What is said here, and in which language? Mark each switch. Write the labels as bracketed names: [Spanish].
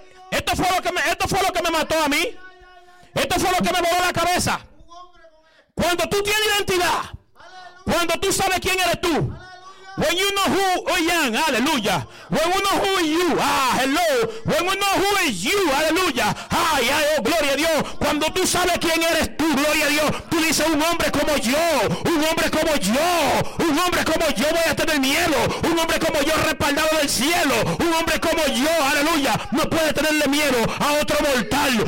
[Spanish] Esto fue lo que me mató a mí. Esto fue lo que me voló la cabeza. Cuando tú tienes identidad, cuando tú sabes quién eres tú, [English] When you know who I am, aleluya. When we know who is you, ah, hello. When we know who is you, aleluya. Ay, ay, oh, [Spanish] gloria a Dios. Cuando tú sabes quién eres tú, gloria a Dios. Tú dices, un hombre como yo, un hombre como yo, un hombre como yo voy a tener miedo. Un hombre como yo respaldado del cielo. Un hombre como yo, aleluya, no puede tenerle miedo a otro mortal.